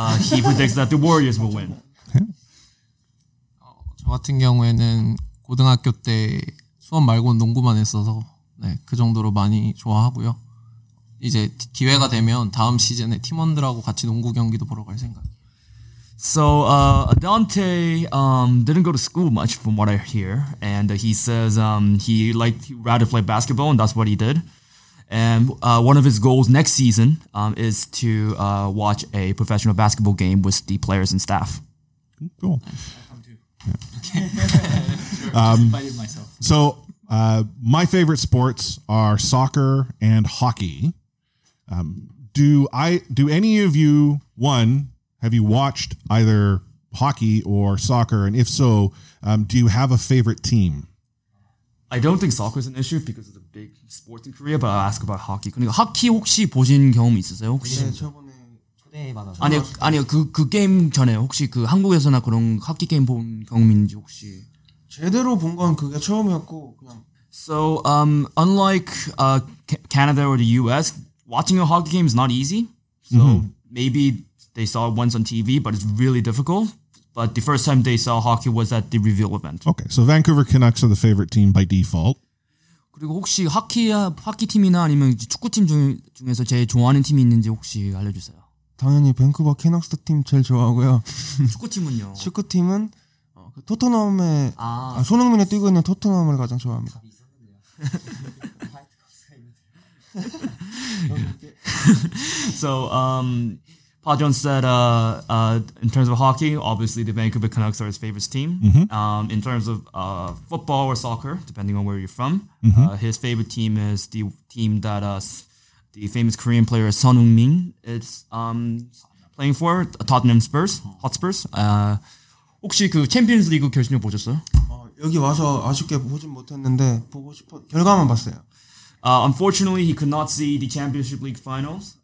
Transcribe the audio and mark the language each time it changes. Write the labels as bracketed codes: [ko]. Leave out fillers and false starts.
[en] He predicts that the Warriors will win. [ko] 저 같은 경우에는 고등학교 때 수업 말고는 농구만 했어서 네, 그 정도로 많이 좋아하고요. 이제 기회가 되면 다음 시즌에 팀원들하고 같이 농구 경기도 보러 갈 생각. [en] So Dante didn't go to school much from what I hear, and he says he liked rather play basketball, and that's what he did. And one of his goals next season is to watch a professional basketball game with the players and staff. Cool. Yeah. So my favorite sports are soccer and hockey. Do any of you, one, have you watched either hockey or soccer? And if so, do you have a favorite team? I don't think soccer is an issue because it's a big sport in Korea, but I'll ask about hockey. [ko] 그러니까 하키 혹시 보신 경험 있으세요? 혹시? 네, 저번에 초대 받아서. 아니요, 아니요. 그 게임 전에 혹시 그 한국에서나 그런 하키 게임 본 경험인지 혹시? 제대로 본 건 그게 처음이었고 그냥. [en] So unlike Canada or the US, watching a hockey game is not easy. So maybe they saw it once on TV, but it's really difficult. But the first time they saw hockey was at the reveal event. Okay, so Vancouver Canucks are the favorite team by default. [ko] 그리고 혹시 하키 팀이나 아니면 축구팀 중에서 제일 좋아하는 팀이 있는지 혹시 알려주세요. 당연히 밴쿠버 캐넉스 팀 제일 좋아하고요. 축구팀은요? 축구팀은 그 토트넘의 손흥민이 뛰고 있는 토트넘을 가장 좋아합니다. 이상한데요. [en] Pajon said, in terms of hockey, obviously the Vancouver Canucks are his favorite team. Mm-hmm. In terms of football or soccer, depending on where you're from, his favorite team is the team that the famous Korean player Son Heung-min is playing for, Tottenham Spurs, Hotspurs. [ko] 혹시 그 Champions League 결승전 보셨어요? 여기 와서 아쉽게 보진 못했는데 보고 싶어 결과만 봤어요. [en] Unfortunately, he could not see the Championship League finals.